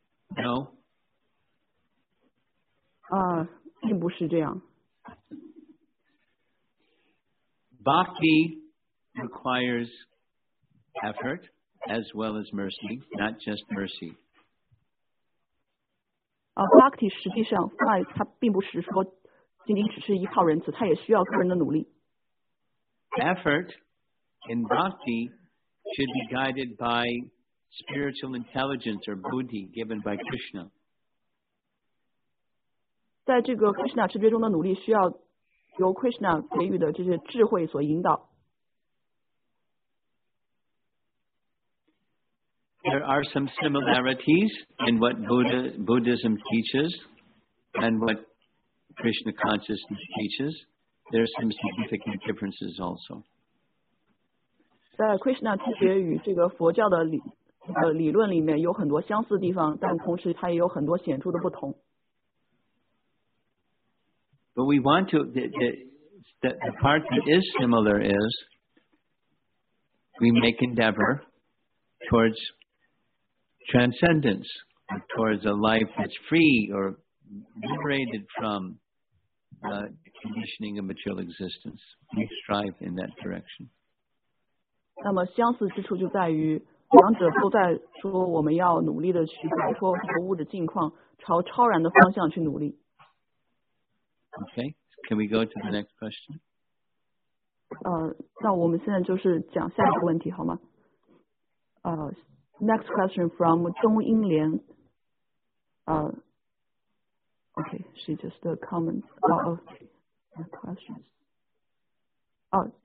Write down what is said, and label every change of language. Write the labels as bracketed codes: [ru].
[en] No. [zh] 并不是这样。 [en] Bhakti requires effort as well as mercy, not just mercy. [zh] Bhakti 实际上它并不是说仅仅只是依靠仁慈，它也需要个人的努力。 [en] Effort in bhakti should be guided by spiritual intelligence or buddhi given by Krishna. [zh] 在这个 Krishna 知觉中的努力需要由 Krishna 给予的这些智慧所引导。 [en] There are some similarities in what Buddhism teaches and what Krishna consciousness teaches. There are some significant differences also. [zh] 在 Krishna 知觉与这个佛教的理论里面有很多相似地方，但同时它也有很多显著的不同。 [en] But we want to, the part that is similar is we make endeavor towards transcendence, towards a life that's free or liberated from the conditioning of material existence. We strive in that direction. [zh] 那么相似之处就在于两者都在说我们要努力的去摆脱服务的境况，朝超然的方向去努力。 [en] Okay, can we go to the next question? [zh] 那我们现在就是讲下一个问题好吗？ [en] Next question from 钟英莲。 Okay, she just comments about questions.